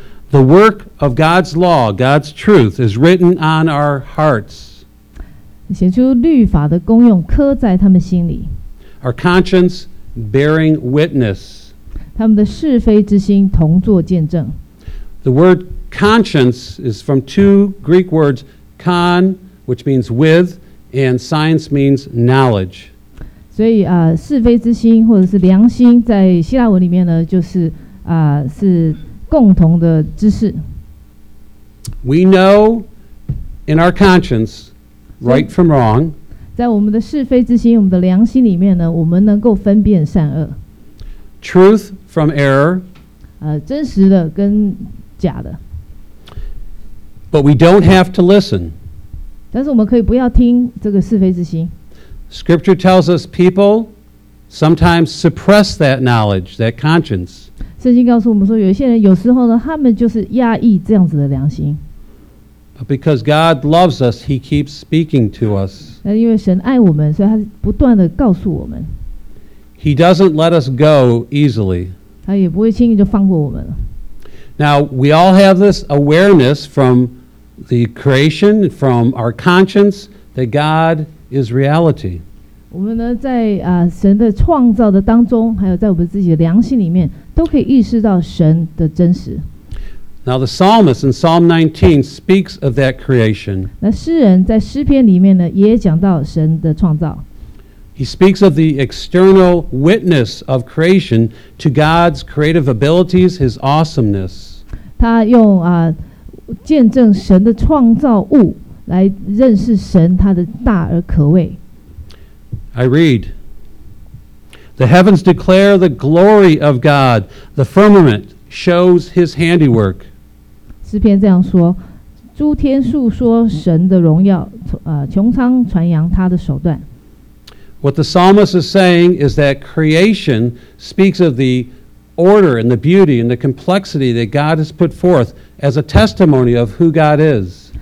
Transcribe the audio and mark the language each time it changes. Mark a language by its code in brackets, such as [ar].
[en] The work of God's law, God's truth, is written on our hearts. [zh] 写出律法的功用刻在他们心里。 [en] Our conscience bearing witness. [zh] 他们的是非之心同作见证。 [en] The word conscience is from two Greek words, con, which means with, and science means knowledge. [zh] 所以是非之心或者是良心在希腊文里面呢就是是共同的知识。 [en] We know in our conscience right from wrong. [zh] 在我们的是非之心，我们的良心里面呢，我们能够分辨善恶。 [en] Truth from error. [zh] 真实的跟假的。 [en] But we don't have to listen. [zh] 但是我们可以不要听这个是非之心。 [en] Scripture tells us people sometimes suppress that knowledge, that conscience. [zh] 圣经告诉我们说，有些人有时候呢，他们就是压抑这样子的良心。 [en] But because God loves us, He keeps speaking to us. [zh] 那因为神爱我们，所以他不断的告诉我们。 [en] He doesn't let us go easily. [zh] 他也不会轻易就放过我们了。 [en] Now we all have this awareness from the creation, from our conscience, that God is reality. [zh] 我们呢，在神的创造的当中，还有在我们自己的良心里面，都可以意识到神的真实。 [en] Now the psalmist in Psalm 19 speaks of that creation. [zh] 那诗人在诗篇里面呢，也讲到神的创造。 [en] He speaks of the external witness of creation to God's creative abilities, His awesomeness. [zh] 他用见证神的创造物来认识神他的大而可畏。 [en] I read, "The heavens declare the glory of God; the firmament shows His handiwork." [zh] 诗篇这样说：诸天述说神的荣耀，穹苍传扬他的手段。 [en] What the psalmist is saying is that creation speaks of the order and the beauty and the complexity that God has put forth as a testimony of who God is.